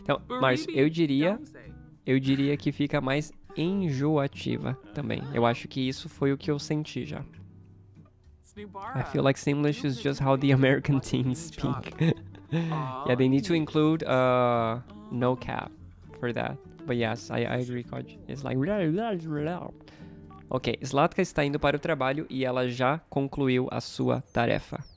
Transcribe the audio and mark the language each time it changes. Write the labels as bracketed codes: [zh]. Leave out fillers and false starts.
[pt] Então, Marcio, eu diria que fica mais enjoativa também. Eu acho que isso foi o que eu senti já. [en] I feel like Simlish is just how the American teens speak. Yeah, they need to include no cap for that. But yes, I agree, Kod. It's like... Blah, blah, blah. [pt] Ok, Zlatka está indo para o trabalho e ela já concluiu a sua tarefa.